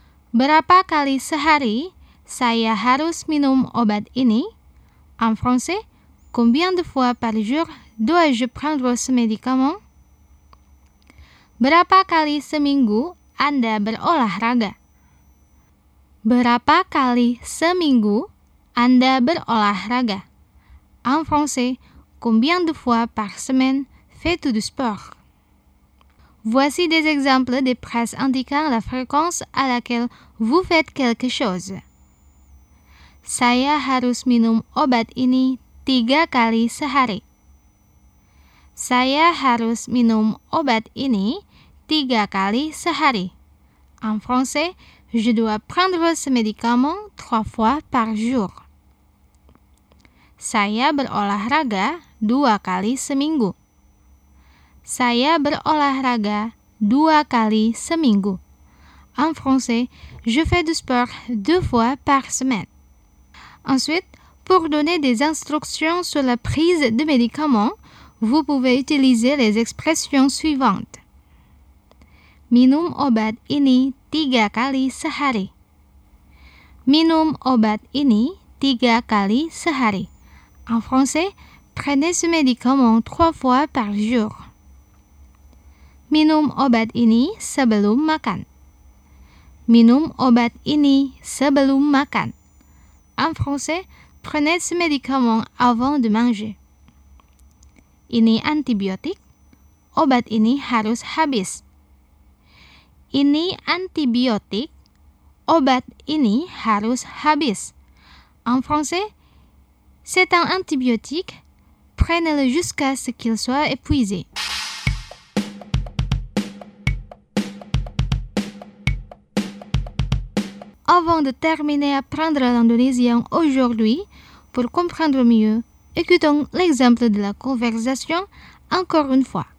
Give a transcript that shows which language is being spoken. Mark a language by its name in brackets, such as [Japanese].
[Indonesian] Berapa kali sehari saya harus minum obat ini? [French] En français, combien de fois par jour dois-je prendre ce médicament? [Indonesian] Berapa kali seminggu Anda berolahraga? Berapa kali seminggu Anda berolahraga? [French] En français, combien de fois par semaine fais-tu du sport? Voici des exemples de phrases indiquant la fréquence à laquelle vous faites quelque chose. [Indonesian] Saya harus minum obat ini 3 kali sehari. Saya harus minum obat ini 3 kali sehari. [French] En français, je dois prendre ce médicament 3 fois par jour. [Indonesian] Saya berolahraga 2 kali seminggu. Saya berolahraga 2 kali seminggu. [French] En français, je fais du sport 2 fois par semaine. Ensuite, pour donner des instructions sur la prise de médicaments, vous pouvez utiliser les expressions suivantes. [Indonesian] Minum obat ini 3 kali sehari. Minum obat ini 3 kali sehari. [French] En français, prenez ce médicament 3 fois par jour. [Indonesian] Minum obat ini sebelum makan. Minum obat ini sebelum makan. [French] En français, prenez ce médicament avant de manger. [Indonesian] Ini antibiotik. Obat ini harus habis. Ini antibiotik. obat ini harus habis. [French] En français, c'est un antibiotique. Prenez-le jusqu'à ce qu'il soit épuisé. Avant de terminer apprendre l'indonésien aujourd'hui, pour comprendre mieux, écoutons l'exemple de la conversation encore une fois.